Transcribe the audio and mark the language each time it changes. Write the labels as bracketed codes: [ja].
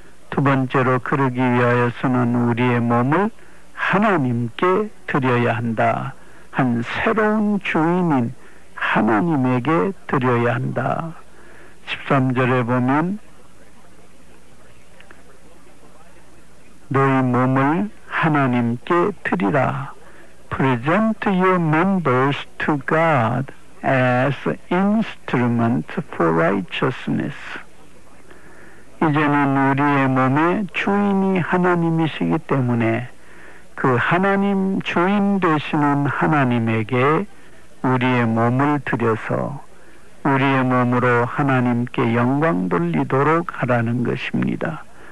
[ko] 두 번째로 그러기 위하여서는 우리의 몸을 하나님께 드려야 한다. 한 새로운 주인인 하나님에게 드려야 한다. 13절에 보면 너희 몸을 하나님께 드리라. [en] Present your members to God as instrument for righteousness. [ko] 이제는 우리의 몸의 주인이 하나님이시기 때문에 그 하나님 주인 되시는 하나님에게 우리의 몸을 드려서 우리의 몸으로 하나님께 영광 돌리도록 하라는 것입니다.